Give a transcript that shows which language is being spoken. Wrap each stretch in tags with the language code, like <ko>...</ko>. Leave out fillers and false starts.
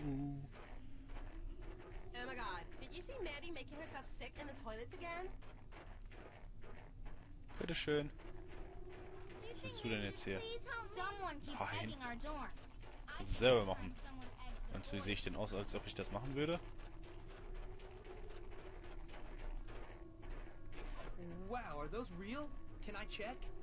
<en>Oh my god, did you see Maddie making herself sick in the toilets again?</en> <de>Bitte schön. Was bist du denn jetzt hier? Nein. Selber machen. Und wie sehe ich denn aus, als ob ich das machen würde?</de> <en>Wow, are those real? Can I check?</en>